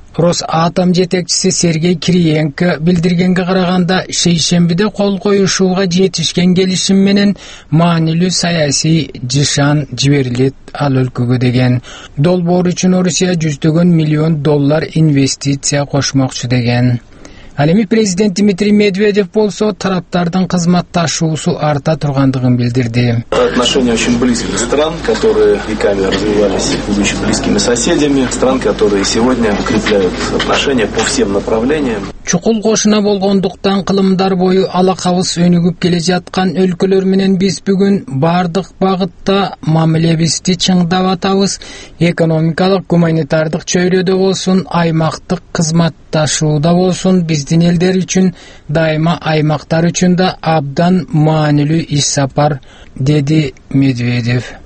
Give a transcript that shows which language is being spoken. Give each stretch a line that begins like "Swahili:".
Kyrgyz: Росатом жетекчиси Сергей Кириенко билдиргенге караганда, шейшембиде кол коюшууга жетишкен келишим менен маанилүү саясий жышан жиберилет ал өлкөгө деген. Долбоор үчүн Орусия 100 миллион доллар инвестиция кошмокчу деген. Ал эми президент Дмитрий Медведев болсо тараптардын кызматташуусу арта тургандыгын билдирди.
Russian: Отношения очень близкие стран, которые веками развивались, будучи близкими соседями, стран, которые сегодня укрепляют отношения по всем направлениям.
Kyrgyz: Чукул кошуна болгондуктан кылымдар бою алакабыз өнүгүп келе жаткан өлкөлөр менен биз бүгүн бардык багытта мамилебизди чыңдап атабыз. Экономикалык, гуманитардык чөйрөдө болсун, аймактык кызматташууда болсун, биздин элдер үчүн дайыма аймактар үчүн да абдан маанилүү иш сапар, деди Медведев.